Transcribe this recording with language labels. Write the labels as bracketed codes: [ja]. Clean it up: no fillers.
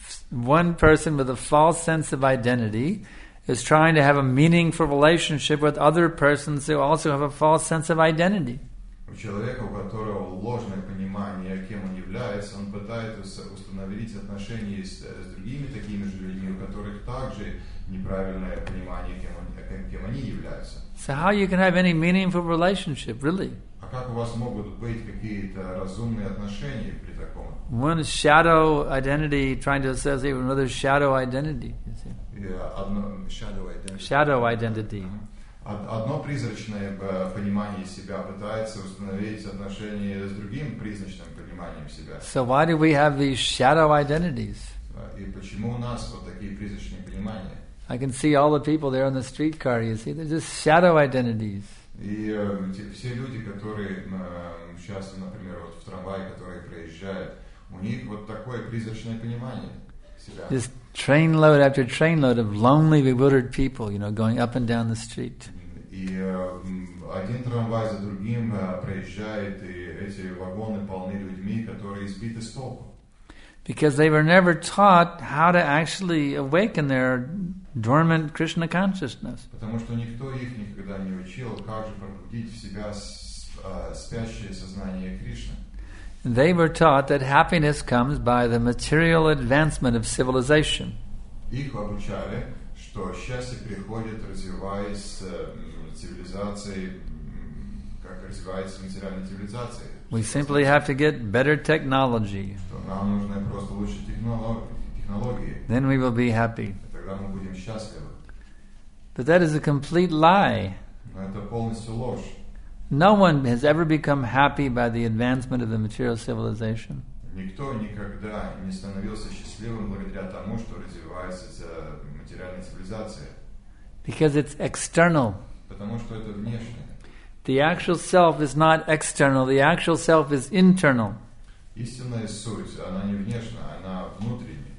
[en] One person with a false sense of identity is trying to have a meaningful relationship with other persons who also have a false sense of identity. [ru] У человека, у которого ложное понимание, кем он является, он пытается установить отношения с другими такими же людьми, у которых также неправильное понимание, кем они являются. [en] So how you can have any meaningful relationship, really? [ru] А как у вас могут быть какие-то разумные отношения при таком? [en] One shadow identity trying to associate with another shadow identity. You see? Shadow identity. [ru] Одно призрачное понимание себя пытается установить отношения с другим призрачным пониманием себя. [en] So why do we have these shadow identities? [ru] И почему у нас вот такие призрачные понимания? [en] I can see all the people there on the streetcar, you see, they're just shadow identities. [ru] И все люди, которые сейчас, например, вот в трамвае, которые проезжают, у них вот такое призрачное понимание себя. [en] This trainload after trainload of lonely, bewildered people, you know, going up and down the street. [ru] И один трамвай за другим проезжает, и эти вагоны полны людьми, которые сбиты с толку. [en] Because they were never taught how to actually awaken their dormant Krishna consciousness. [ru] Потому что никто их никогда не учил, как же пробудить в себя спящее сознание Кришны. [en] They were taught that happiness comes by the material advancement of civilization. [ru] Их обучали, что счастье приходит, развиваясь цивилизацией, как развивается материальная цивилизация. [en] We simply have to get better technology. [ru] Нам нужны просто лучшие технологии. [en] Then we will be happy. [ru] Тогда мы будем счастливы. [en] But that is a complete lie. [ru] Но это полностью ложь. [en] No one has ever become happy by the advancement of the material civilization. [ru] Никто никогда не становился счастливым благодаря тому, что развивается материальная цивилизация. [en] Because it's external. [ru] Потому что это внешнее. [en] The actual self is not external. The actual self is internal. [ru] Истинная суть, она не внешняя, она внутренняя.